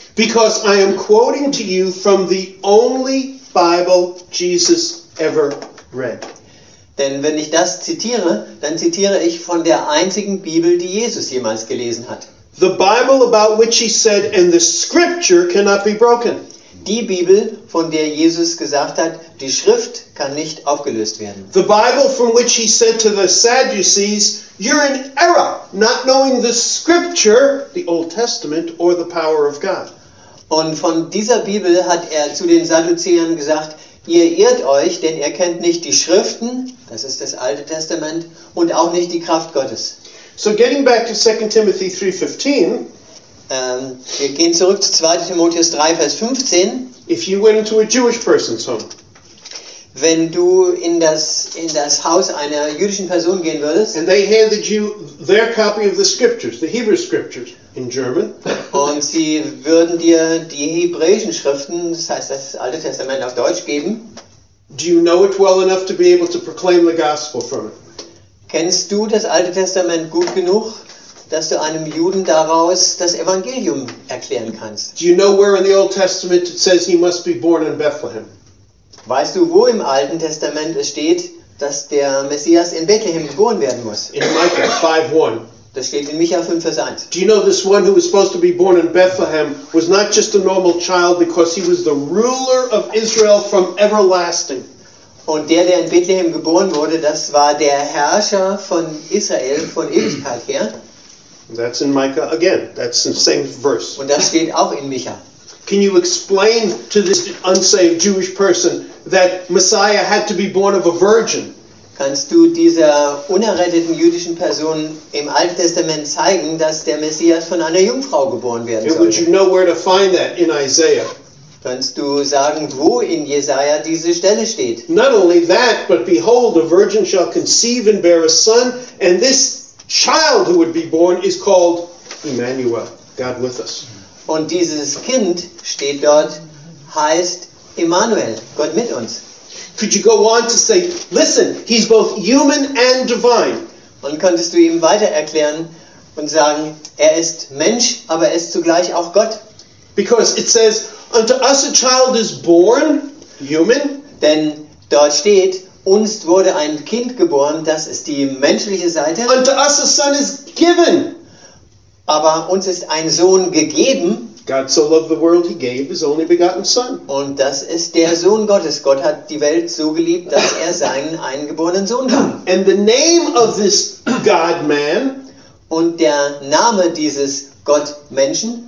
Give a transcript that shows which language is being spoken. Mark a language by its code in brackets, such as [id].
[en] Because I am quoting to you from the only Bible Jesus ever read. [de] Denn wenn ich das zitiere, dann zitiere ich von der einzigen Bibel, die Jesus jemals gelesen hat. [en] The Bible about which he said, and the scripture cannot be broken. [de] Die Bibel, von der Jesus gesagt hat, die Schrift kann nicht aufgelöst werden. [en] The Bible from which he said to the Sadducees, you're in error, not knowing the scripture, the Old Testament, or the power of God. [de] Und von dieser Bibel hat er zu den Sadduzäern gesagt, ihr irrt euch, denn ihr kennt nicht die Schriften, das ist das Alte Testament, und auch nicht die Kraft Gottes. [en] So getting back to 2 Timothy 3:15, [de] Wir gehen zurück zu 2. Timotheus 3, Vers 15. [en] If you went into a Jewish person's home, [de] wenn du in das Haus einer jüdischen Person gehen würdest, [en] and they handed you their copy of the scriptures, the Hebrew scriptures in German, [de] und sie würden dir die hebräischen Schriften, das heißt das Alte Testament auf Deutsch, geben, [en] do you know it well enough to be able to proclaim the gospel from it? [de] Kennst du das Alte Testament gut genug, dass du einem Juden daraus das Evangelium erklären kannst? [en] Do you know where in the Old Testament it says he must be born in Bethlehem? [de] Weißt du, wo im Alten Testament es steht, dass der Messias in Bethlehem geboren werden muss? [en] In Micah 5:1. [de] Das steht in Micha 5, Vers 1. [en] Do you know this one who was supposed to be born in Bethlehem was not just a normal child because he was the ruler of Israel from everlasting? [de] Und der in Bethlehem geboren wurde, das war der Herrscher von Israel von Ewigkeit her. [en] That's in Micah again. That's the same verse. [de] Und das steht auch in Micha. [en] Can you explain to this unsaved Jewish person that Messiah had to be born of a virgin? [de] Kannst du dieser unerretteten jüdischen Person im Alten Testament zeigen, dass der Messias von einer Jungfrau geboren werden sollte? [en] Would you know where to find that in Isaiah? [de] Kannst du sagen, wo in Jesaja diese Stelle steht? [en] Not only that, but behold, a virgin shall conceive and bear a son, and this child who would be born is called Emmanuel, God with us. [de] Und dieses Kind steht dort, heißt Emmanuel, Gott mit uns. [en] Could you go on to say, listen, he's both human and divine. [de] Und könntest du ihm weiter erklären und sagen, er ist Mensch, aber er ist zugleich auch Gott. [en] Because it says, unto us a child is born, human. [de] Denn dort steht, uns wurde ein Kind geboren, das ist die menschliche Seite. [en] Unto us a son is given. [de] Aber uns ist ein Sohn gegeben. [en] God so loved the world, he gave his only begotten Son. [de] Und das ist der Sohn Gottes. Gott hat die Welt so geliebt, dass er seinen eingeborenen Sohn gab. [en] And the name of this God-Man. [de] Und der Name dieses Gott-Menschen.